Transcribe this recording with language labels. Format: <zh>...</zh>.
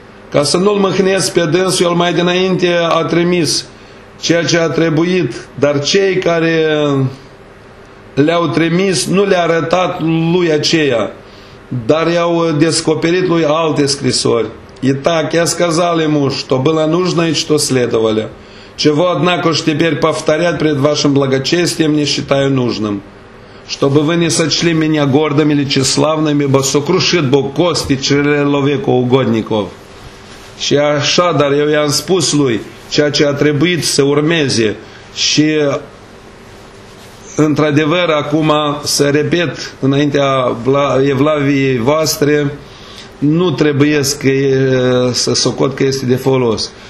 <ro>Ca să nu-l mâhnesc pe dânsul, el mai dinainte a trimis ceea ce a trebuit, dar cei care le-au trimis nu le-a arătat lui aceea, dar i-au descoperit lui alte scrisori.</ro> <ru>И так, я сказал ему, что было нужно и что следовало, чего, однако, ж теперь повторять пред вашим благочестием не считаю нужным. Чтобы вы не сочли меня гордым или тщеславным, ибо сокрушит Бог кости человеку угодников.</ru> <ro>Și așa, dar eu i-am spus lui ceea ce a trebuit să urmeze și, într-adevăr, acum să repet înaintea evlaviei voastre, nu trebuie să socot că este de folos.</ro>